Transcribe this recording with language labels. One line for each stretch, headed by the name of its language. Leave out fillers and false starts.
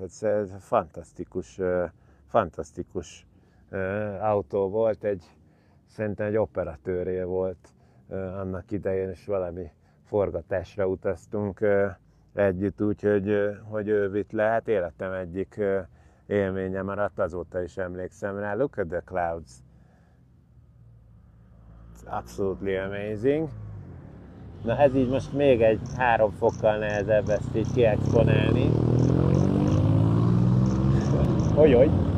Hungarian: Ez fantasztikus, fantasztikus autó volt, szerintem egy operatőré volt annak idején, és valami forgatásra utaztunk együtt, úgyhogy hogy ő vitt le, hát életem egyik élménye maradt, azóta is emlékszem rá.
English: Look at the clouds. It's absolutely amazing.
Hungarian: Na ez így most még egy 3 fokkal nehezebb ezt így kiexponálni. Hogy?